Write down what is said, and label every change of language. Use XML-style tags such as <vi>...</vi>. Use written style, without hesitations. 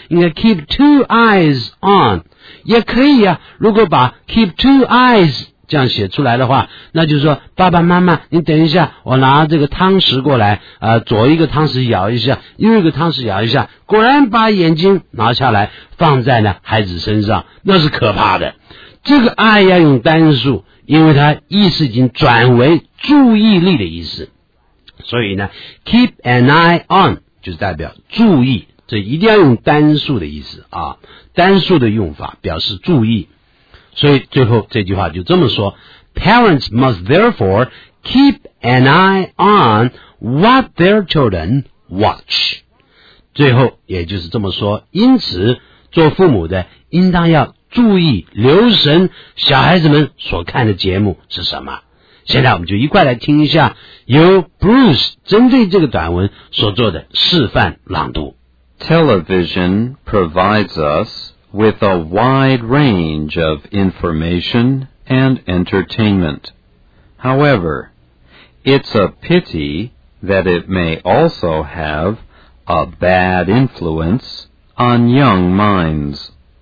<zh>应该</zh> <en>keep two eyes on</en> <zh>也可以啊，如果把</zh> <en>keep two eyes</en> <zh>这样写出来的话，那就是说爸爸妈妈你等一下，我拿这个汤匙过来、左一个汤匙咬一下，右一个汤匙咬一下，果然把眼睛拿下来放在了孩子身上，那是可怕的。这个爱要用单数，因为它意思已经转为注意力的意思，所以呢</zh> <en>keep an eye on</en> <zh>就是代表注意，这一定要用单数的意思啊，单数的用法表示注意。所以最后这句话就这么说，</zh> <en>Parents must therefore keep an eye on what their children watch.</en> <zh>最后也就是这么说，因此做父母的应当要注意留神小孩子们所看的节目是什么。现在我们就一块来听一下由 Bruce 针对这个短文所做的示范朗读。</zh> <en>Television provides us with a wide range of information and entertainment. However, it's a pity that it may also have a bad influence on young minds.</en>